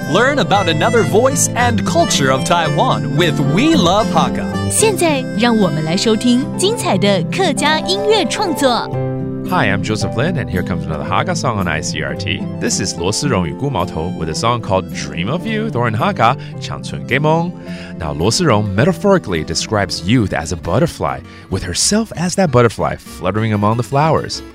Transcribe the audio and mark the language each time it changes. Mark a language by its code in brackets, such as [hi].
[en] Learn about another voice and culture of Taiwan with We Love Hakka。 [zh] 现在让我们来收听精彩的客家音乐创作。 [en] Hi, I'm Joseph Lin, and here comes another Hakka song on ICRT. This is 羅思容與孤毛頭 with a song called Dream of You, 多人 Hakka, 青春个夢. Now, 羅思容 metaphorically describes youth as a butterfly, with herself as that butterfly fluttering among the flowers.